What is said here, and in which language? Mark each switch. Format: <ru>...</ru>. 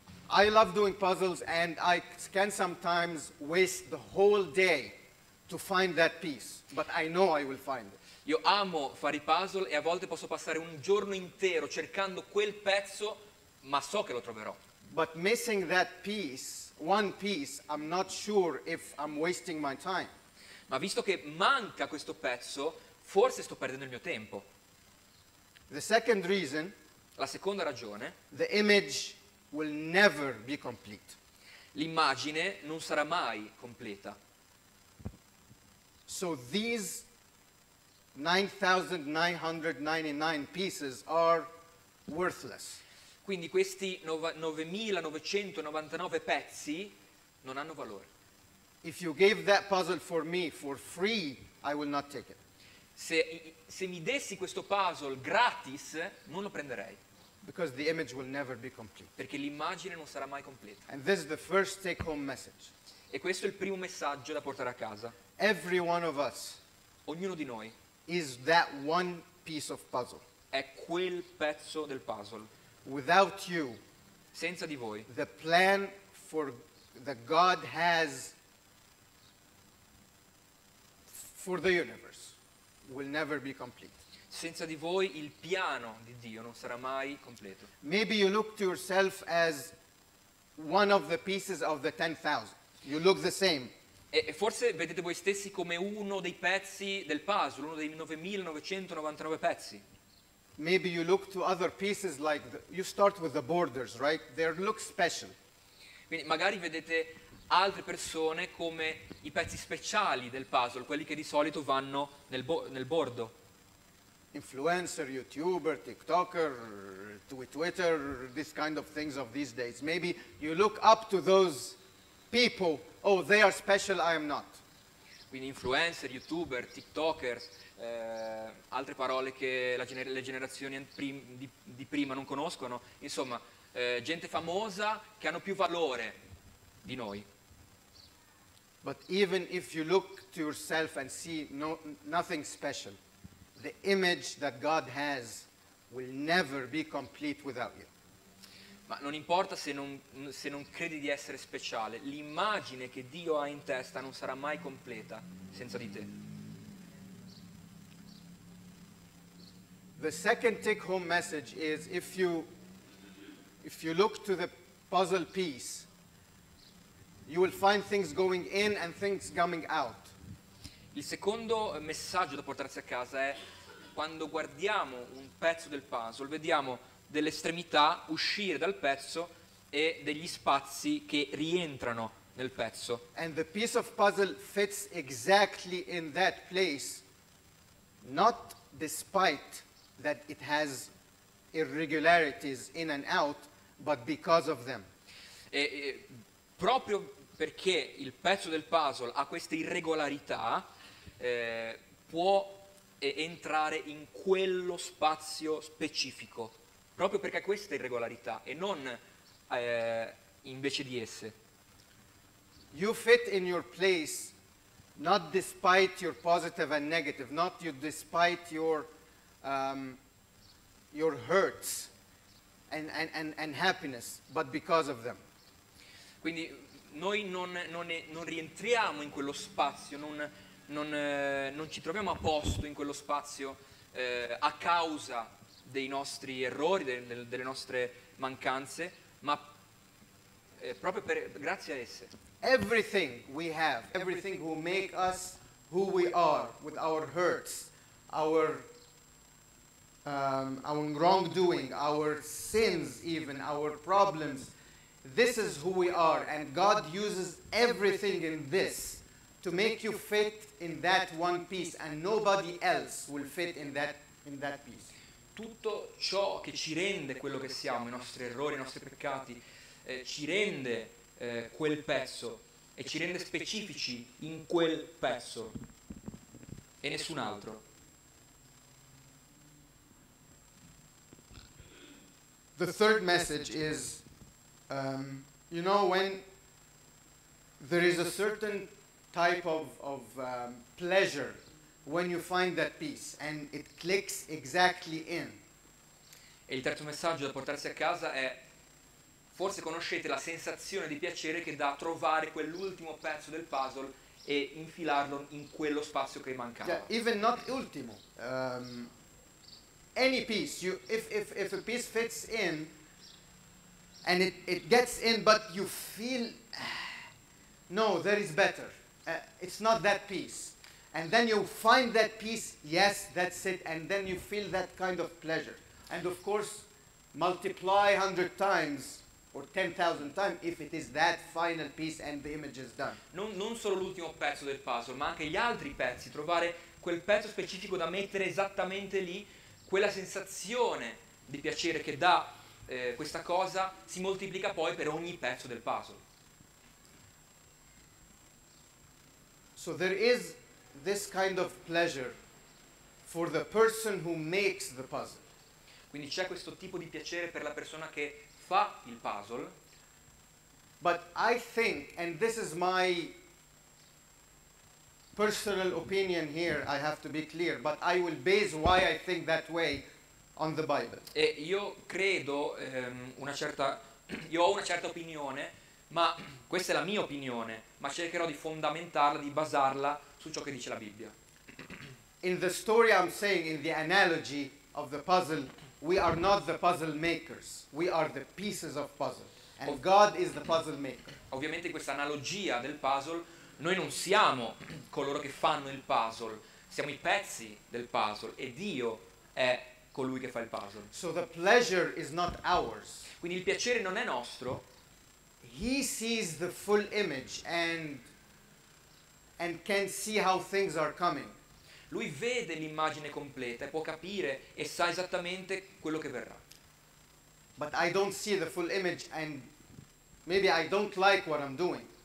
<en>I love doing puzzles and I can sometimes waste the whole day to find that piece, but I know I will find it.</en> <it>Io amo fare i puzzle e a volte posso passare un giorno intero cercando quel pezzo, ma so che lo troverò.</it> <en>But missing that piece, one piece, I'm not sure if I'm wasting my time.</en> <it>Ma visto che manca questo pezzo, forse sto perdendo il mio tempo.</it> <en>The second reason,</en> <it>la seconda ragione,</it> <en>the image will never be complete.</en> <it>L'immagine non sarà mai completa.</it> <en>So these 9999 pieces are worthless.</en> <it>Quindi questi 9999 pezzi non hanno valore.</it> <en>If you gave that puzzle for me for free, I will not take it.</en> <it>Se mi dessi questo puzzle gratis, non lo prenderei.</it> <en>Because the image will never be complete.</en> <it>Perché l'immagine non sarà mai completa.</it> <en>And this is the first take home message.</en> <it>E questo è il primo messaggio da portare a casa.</it> <en>Every one of us,</en> <it>ognuno di noi,</it> <en>is that one piece of puzzle.</en> <it>È quel pezzo del puzzle.</it> <en>Without you,</en> <it>senza di voi,</it> <en>the plan for that God has for the universe will never be complete.</en> <it>Senza di voi il piano di Dio non sarà mai completo.</it> <en>Maybe you look to yourself as one of the pieces of the 10,000. You look the same.</en> <it>E forse vedete voi stessi come uno dei pezzi del puzzle, uno dei 9999 pezzi.</it> <en>Maybe you look to other pieces like you start with the borders, right? They look special.</en> <it>Quindi magari vedete altre persone come i pezzi speciali del puzzle, quelli che di solito vanno nel bordo.</it> <en>Influencer, YouTuber, TikToker, Twitter, this kind of things of these days. Maybe you look up to those people. Oh, they are special, I am not.</en> <it>Quindi influencer, YouTuber, TikToker, altre parole che le generazioni di prima non conoscono. Insomma, gente famosa che hanno più valore di noi.</it> <en>But even if you look to yourself and see nothing special, the image that God has will never be complete without you.</en> <it>Ma non importa se non credi di essere speciale, l'immagine che Dio ha in testa non sarà mai completa senza di te.</it> <en>The second take home message is if you look to the puzzle piece, you will find things going in and things coming out.</en> <it>Il secondo messaggio da portarsi a casa è: quando guardiamo un pezzo del puzzle, vediamo delle estremità uscire dal pezzo e degli spazi che rientrano nel pezzo.</it> <en>And the piece of puzzle fits exactly in that place, not despite that it has irregularities in and out, but because of them.</en> <it>E proprio perché il pezzo del puzzle ha queste irregolarità, può e entrare in quello spazio specifico, proprio perché questa è irregolarità e non invece di esse.</it> <en>You fit in your place not despite your positive and negative, not you despite your hurts and happiness, but because of them.</en> <it>Quindi noi non rientriamo in quello spazio, non ci troviamo a posto in quello spazio a causa dei nostri errori, delle nostre mancanze, ma proprio per grazie a esse.</it> <en>Everything we have, everything who make us who we are, with our hurts, our wrongdoing, our sins even, our problems, this is who we are, and God uses everything in this to make you fit in that one piece, and nobody else will fit in that piece.</en> <it>tutto ciò che ci rende quello che siamo, i nostri errori, i nostri peccati, ci rende quel pezzo e ci rende specifici in quel pezzo e nessun altro.</it> <en>The third message is, you know, when there is a certain type of pleasure when you find that piece and it clicks exactly in.</en> <it>E il terzo messaggio da portarsi a casa è: forse conoscete la sensazione di piacere che dà trovare quell'ultimo pezzo del puzzle e infilarlo in quello spazio che mancava.</it> <en>Yeah, even not ultimo. Any piece, you, if a piece fits in and it gets in, but you feel no, there is better. It's not that piece. And then you find that piece, yes, that's it, and then you feel that kind of pleasure. And of course, multiply 100 times or 10,000 times if it is that final piece and the image is done.</en> <it>Non solo l'ultimo pezzo del puzzle, ma anche gli altri pezzi, trovare quel pezzo specifico da mettere esattamente lì. Quella sensazione di piacere che dà questa cosa si moltiplica poi per ogni pezzo del puzzle.</it> <en>So there is this kind of pleasure for the person who makes the puzzle.</en> <it>Quindi c'è questo tipo di piacere per la persona che fa il puzzle.</it> <en>But I think, and this is my personal opinion here, I have to be clear, but I will base why I think that way on the Bible.</en> <it>E io credo una certa, io ho una certa opinione, ma questa è la mia opinione, ma cercherò di fondamentarla, di basarla su ciò che dice la Bibbia.</it> <en>In the story I'm saying, in the analogy of the puzzle, we are not the puzzle makers, we are the pieces of puzzle, and God is the puzzle maker.</en> <it>Ovviamente in questa analogia del puzzle, noi non siamo coloro che fanno il puzzle, siamo i pezzi del puzzle e Dio è colui che fa il puzzle.</it> <en>So the pleasure is not ours.</en> <it>Quindi il piacere non è nostro.</it> <en>He sees the full image and can see how things are coming.</en> <it>Lui vede l'immagine completa e può capire e sa esattamente quello che verrà.</it> <en>But I don't see the full image and maybe I don't like what I'm doing.</en>